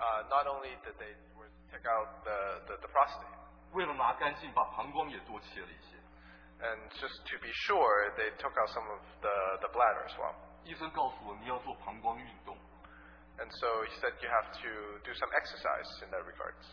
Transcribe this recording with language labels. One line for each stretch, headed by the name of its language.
English: Not only did they take out the prostate.
Chinese: 为了拿干净，把膀胱也多切了一些。
English: And just to be sure, they took out some of the bladder as well.
Chinese: 医生告诉我你要做膀胱运动。
English: And so he said you have to do some exercise in that regard.